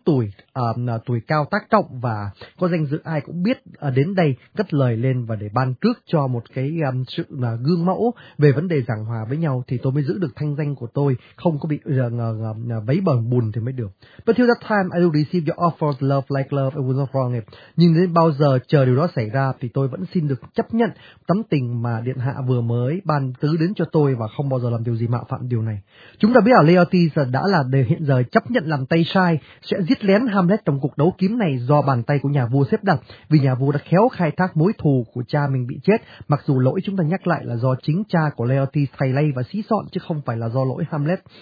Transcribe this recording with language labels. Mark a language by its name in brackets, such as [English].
[Vietnamese] tuổi, tuổi cao tác trọng và có danh dự, ai cũng biết đến đây cất lời lên và để ban trước cho một cái sự gương mẫu về vấn đề giảng hòa với nhau, thì tôi mới giữ được thanh danh của tôi, không có bị vấy bờn bùn thì mới được. [English] But till that time I will receive your offer of love like love, it was not wrong it. [Vietnamese] Nhưng đến bao giờ chờ điều đó xảy ra thì tôi vẫn xin được chấp nhận tấm tình mà Điện Hạ vừa mới ban tứ đến cho tôi và không bao giờ làm điều gì mạo phạm điều này. Chúng ta biết là Laertes đã là để hiện giờ chấp nhận làm tay sai, sẽ giết lén Hamlet trong cuộc đấu kiếm này do bàn tay của nhà vua xếp đặt, vì nhà vua đã khéo khai thác mối thù của cha mình bị chết, mặc dù lỗi chúng ta nhắc lại là do chính cha của Laertes thay lay và xí xọn chứ không phải là do lỗi Hamlet.